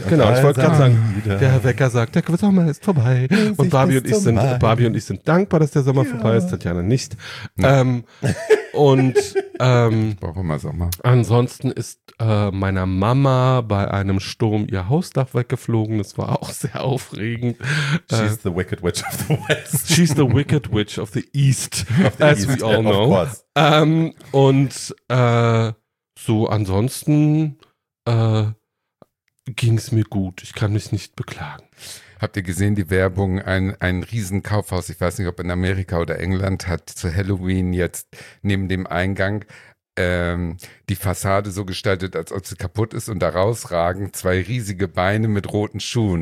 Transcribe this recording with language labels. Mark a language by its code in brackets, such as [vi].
[de] Genau, ich wollte gerade sagen, wieder. Der Wecker sagt, der Sommer ist vorbei. Und Barbie und ich sind dankbar, dass der Sommer vorbei ist, Tatjana nicht. Nee. Ich brauche immer Sommer. Ansonsten ist meiner Mama bei einem Sturm ihr Hausdach weggeflogen. Das war auch sehr aufregend. [en] She's the Wicked Witch of the West. She's the Wicked Witch of the East, of the as East, we all know. [de] So ansonsten ging es mir gut. Ich kann mich nicht beklagen. Habt ihr gesehen, die Werbung, ein riesen Kaufhaus, ich weiß nicht, ob in Amerika oder England, hat zu Halloween jetzt neben dem Eingang die Fassade so gestaltet, als ob sie kaputt ist und daraus ragen zwei riesige Beine mit roten Schuhen.